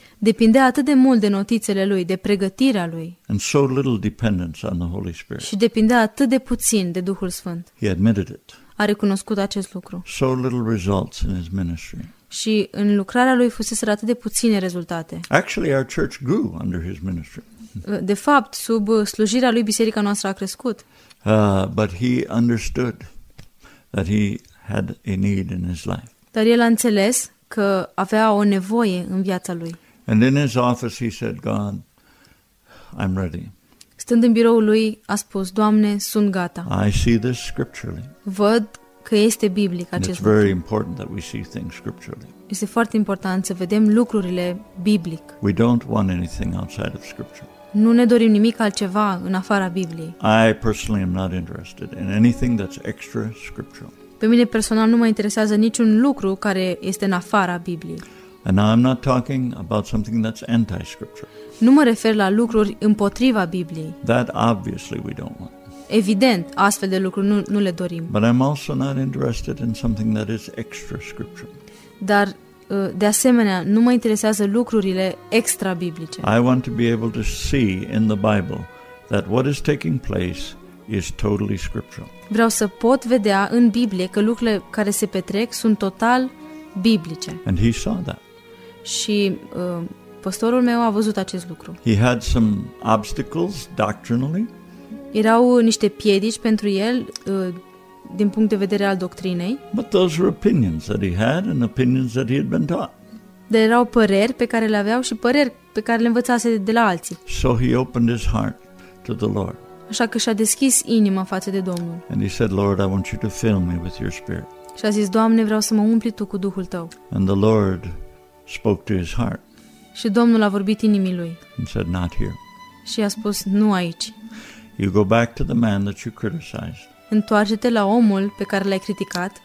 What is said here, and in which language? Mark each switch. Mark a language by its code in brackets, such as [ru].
[ro] Depindea atât de mult de notițele lui, de pregătirea lui. [en] And so little dependence on the Holy Spirit. [ro] Și depindea atât de puțin de Duhul Sfânt. [en] He admitted it. [ro] a recunoscut acest lucru. [en] So little results in his ministry. [ro] Și în lucrarea lui fuseseră atât de puține rezultate. [en] Actually, our church grew under his ministry. [ro] De fapt, sub slujirea lui, biserica noastră a crescut. [en] But he understood that he had a need in his life. [ro] Dar el a înțeles că avea o nevoie în viața lui. [en] And in his office he said, God, I'm ready. [ro] Stând în biroul lui, a spus, Doamne, sunt gata. [en] I see this scripturally. [ro] Văd că este biblic acest lucru. [en] It's very important that we see things scripturally. [ro] Este foarte important să vedem lucrurile biblic. [en] We don't want anything outside of scripture. [ro] Nu ne dorim nimic altceva în afara Bibliei. [en] I personally am not interested in anything that's extra scriptural. [ro] Pe mine personal nu mă interesează niciun lucru care este în afara Bibliei. [en] And now I'm not talking about something that's anti-scriptural. [ro] Nu mă refer la lucruri împotriva Bibliei. [en] That obviously we don't want. [ro] Evident, astfel de lucruri nu le dorim. [en] But I'm also not interested in something that is extra scriptural. [ro] Dar de asemenea, nu mă interesează lucrurile extra biblice. [en] I want to be able to see in the Bible that what is taking place is totally scriptural. [ro] Vreau să pot vedea în Biblie că lucrurile care se petrec sunt total biblice. [en] And he saw that. [ro] Și pastorul meu a văzut acest lucru. [en] He had some obstacles doctrinally. [ro] Erau niște piedici pentru el din punct de vedere al doctrinei. [en] But those were opinions that he had and opinions that he had been taught. [ro] Dar erau păreri pe care le aveau și păreri pe care le învățase de la alții. [en] So he opened his heart to the Lord. [ro] Așa că și-a deschis inima față de Domnul. [en] And he said, Lord, I want you to fill me with your spirit. [ro] Și a zis, Doamne, vreau să mă umpli tu cu Duhul tău. [en] And the Lord spoke to his heart. [ro] Și Domnul a vorbit inimii lui. [en] And said, not here. [ro] Și a spus, nu aici. [en] You go back to the man that you criticized. [ro] Întoarce-te la omul pe care l-ai criticat.